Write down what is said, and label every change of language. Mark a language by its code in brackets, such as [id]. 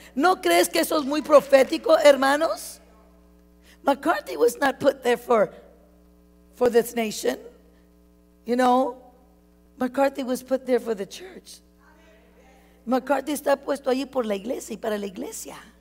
[es] ¿No crees que eso es muy profético, hermanos? [en] McCarthy was not put there for this nation. You know, McCarthy was put there for the church. [es] McCarthy está puesto allí por la iglesia y para la iglesia.